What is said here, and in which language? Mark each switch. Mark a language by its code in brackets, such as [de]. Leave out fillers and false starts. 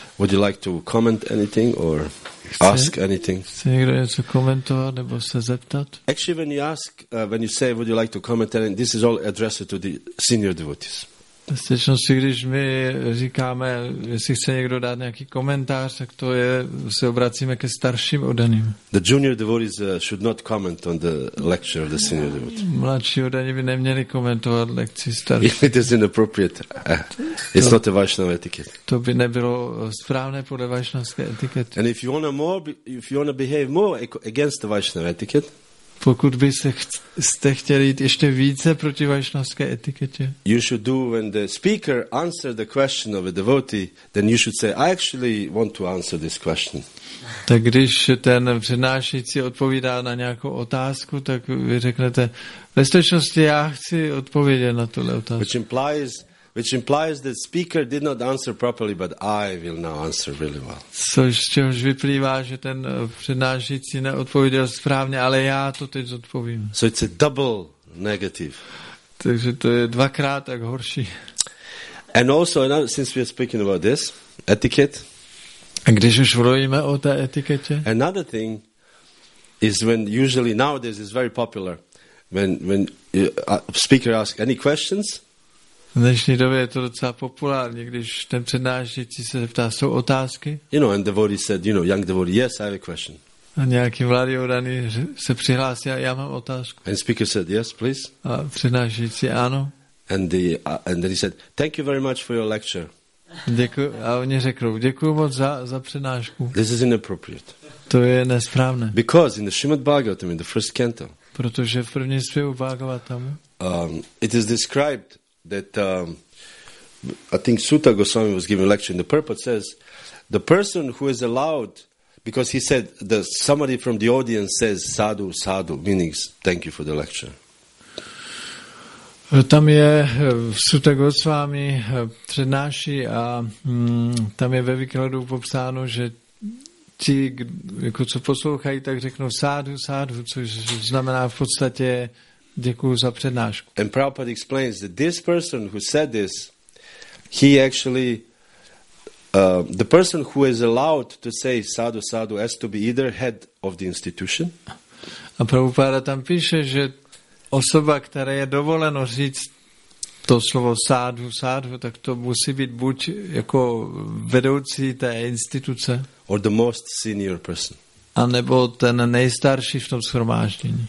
[en] Would you like to comment anything or ask anything? [cs] Chce někdo něco komentovat nebo se zeptat? [en] Actually, when you ask, when you say, would you like to comment anything, this is all addressed to the senior devotees. [cs] V skutečnosti, když my říkáme, jestli chce někdo dát nějaký komentář, tak to je, se obracíme ke starším oddaným. [en] The junior devotees should not comment on the lecture of the senior devotee. [cs] Mladší oddaní by neměli komentovat lekci starších. [en] It is inappropriate. It's not a Vaishnava etiquette. [cs] To by nebylo správné podle vaishnavské etikety. [en] And if you want to more, if you want to behave more against the Vaishnava etiquette. [cs] Pokud byste chtěli jít ještě více proti vaishnavské etiketě. [en] You should do when the speaker answer the question of a devotee, then you should say, I actually want to answer this question. [cs] Tak když ten přednášející odpovídá na nějakou otázku, tak vy řeknete, ve skutečnosti já chci odpovědět na tuhle otázku. [en] Which implies that speaker did not answer properly, but I will now answer really well. [cs] Což z čehož vyplývá, že ten přednášící neodpověděl správně, ale já to teď zodpovím. [en] So it's a double negative. [cs] Takže to je dvakrát tak horší. [en] And also, since we are speaking about this, etiquette. [cs] A když už mluvíme o té etiketě. [en] Another thing is when usually nowadays is very popular, when a speaker asks any questions. [cs] V dnešní době je to docela populární, když ten přednášející se zeptá, jsou otázky? [en] You know, and the devotee said, you know, young devotee, yes, I have a question. [cs] A nějaký mladý oddaný se přihlásí, já mám otázku. [en] And speaker said, yes, please. [cs] A přednášející, ano. [en] And then he said, thank you very much for your lecture. [cs] Děkuji, a oni řekli, děkuji moc za přednášku. [en] This is inappropriate. [cs] To je nesprávné. [en] Because in the Srimad Bhagavatam, in the first canto, [cs] protože v první zpěvu Bhagavatam, [en] it is described that I think Sutta Goswami was giving a lecture in the purport says the person who is allowed because he said that somebody from the audience says sadhu sadhu meaning thank you for the lecture. [cs] Tam je Sutta Goswami přednáší a tam je ve výkladu popsáno, že ti jako co poslouchají tak řeknou sadhu sadhu, což znamená v podstatě děkuju za přednášku. [en] And Prabhupada explains that this person who said this, he actually, the person who is allowed to say sadhu sadhu has to be either head of the institution. [cs] A Prabhupada tam píše, že osoba, která je dovoleno říct to slovo sadhu sadhu, tak to musí být buď jako vedoucí té instituce. [en] Or the most senior person. [cs] A nebo ten nejstarší v tom shromáždění.